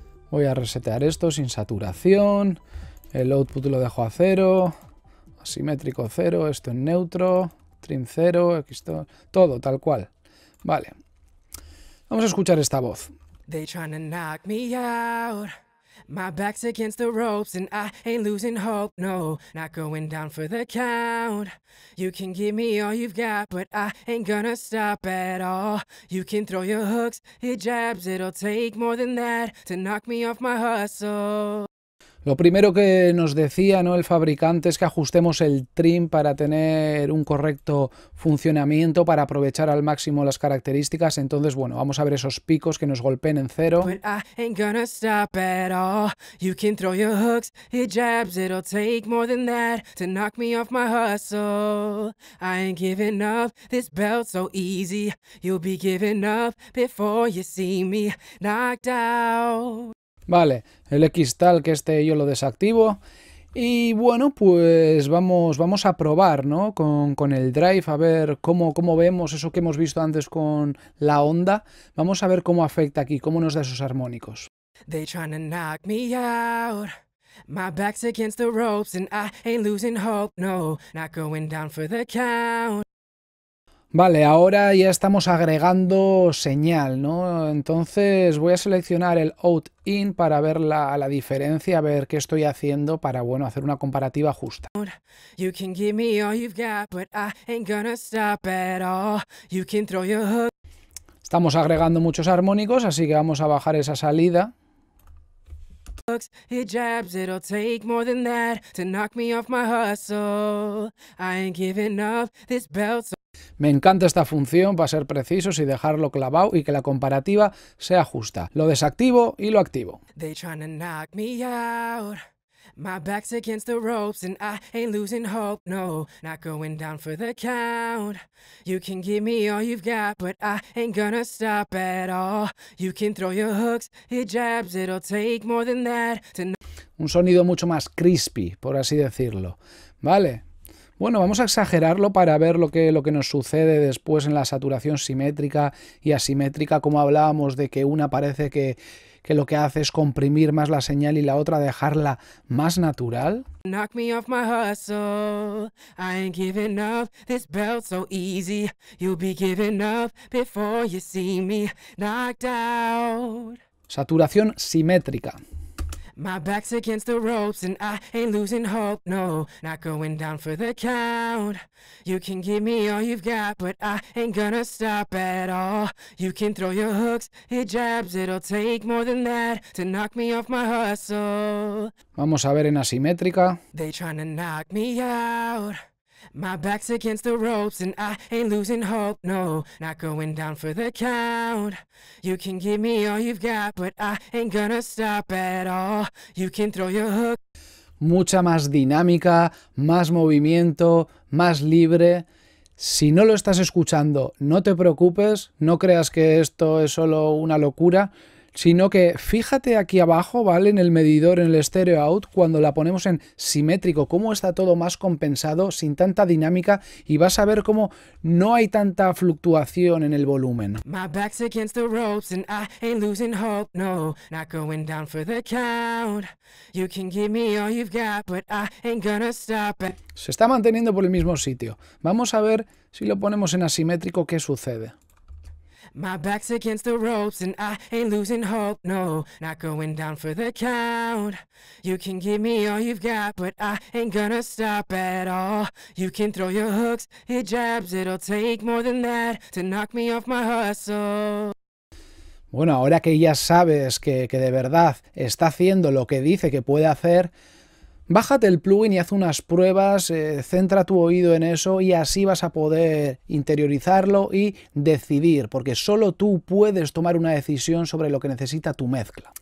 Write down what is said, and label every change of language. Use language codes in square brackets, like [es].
[es] Voy a resetear esto sin saturación. El output lo dejo a 0, asimétrico 0, esto en neutro, trim 0, todo tal cual. Vale. Vamos a escuchar esta voz. [en] They're trying to knock me out. My back's against the ropes and I ain't losing hope. No, not going down for the count. You can give me all you've got, but I ain't gonna stop at all. You can throw your hooks, your jabs, it'll take more than that to knock me off my hustle. [es] Lo primero que nos decía, ¿no?, el fabricante es que ajustemos el trim para tener un correcto funcionamiento, para aprovechar al máximo las características. Entonces, bueno, vamos a ver esos picos que nos golpeen en cero. [en] But I ain't gonna stop at all. You can throw your hooks, your jabs. It'll take more than that to knock me off my hustle. I ain't giving up this belt so easy. You'll be giving up before you see me knocked out. [es] Vale, el X tal, que este yo lo desactivo. Y bueno, pues vamos a probar, ¿no?, con el drive, a ver cómo vemos eso que hemos visto antes con la onda. Vamos a ver cómo afecta aquí, cómo nos da esos armónicos. [en] They're trying to knock me out. My back's against the ropes and I ain't losing hope. No, not going down for the count. [es] Vale, ahora ya estamos agregando señal, ¿no? Entonces voy a seleccionar el out-in para ver la diferencia, a ver qué estoy haciendo para, bueno, hacer una comparativa justa. [en] You can give me all you've got, but I ain't gonna stop at all. You can throw your hook. [es] Estamos agregando muchos armónicos, así que vamos a bajar esa salida. [en] Hooks, it jabs, it'll take more than that to knock me off my hustle. I ain't giving up this belt. [es] Me encanta esta función para ser precisos y dejarlo clavado y que la comparativa sea justa. Lo desactivo y lo activo. [en] They're trying to knock me out. My back's against the ropes and I ain't losing hope. No, not going down for the count. You can give me all you've got, but I ain't gonna stop at all. You can throw your hooks, your jabs, it'll take more than that to know. [es] Un sonido mucho más crispy, por así decirlo. Vale. Bueno, vamos a exagerarlo para ver lo que nos sucede después en la saturación simétrica y asimétrica, como hablábamos de que una parece que lo que hace es comprimir más la señal y la otra dejarla más natural. [en] Knock me off my hustle. I ain't giving up this belt so easy. You'll be giving up before you see me knocked out. [es] Saturación simétrica. [en] My back's against the ropes and I ain't losing hope. No, not going down for the count. You can give me all you've got, but I ain't gonna stop at all. You can throw your hooks, your jabs, it'll take more than that to knock me off my hustle. [es] Vamos a ver en asimétrica. [en] They trying to knock me out. My back's against the ropes and I ain't losing hope. No, not going down for the count. You can give me all you've got, but I ain't gonna stop at all. You can throw your hook. [es] Mucha más dinámica, más movimiento, más libre. Si no lo estás escuchando, no te preocupes, no creas que esto es solo una locura, sino que fíjate aquí abajo, ¿vale?, en el medidor, en el stereo out, cuando la ponemos en simétrico, cómo está todo más compensado, sin tanta dinámica, y vas a ver cómo no hay tanta fluctuación en el volumen. [en] My back's against the ropes and I ain't losing hope. No, not going down for the count. You can give me all you've got, but I ain't gonna stop. [es] Se está manteniendo por el mismo sitio. Vamos a ver si lo ponemos en asimétrico qué sucede. [en] My back's against the ropes and I ain't losing hope. No, not going down for the count. You can give me all you've got, but I ain't gonna stop at all. You can throw your hooks, your jabs, it'll take more than that to knock me off my hustle. [es] Bueno, ahora que ya sabes que de verdad está haciendo lo que dice que puede hacer, bájate el plugin y haz unas pruebas, centra tu oído en eso y así vas a poder interiorizarlo y decidir, porque solo tú puedes tomar una decisión sobre lo que necesita tu mezcla.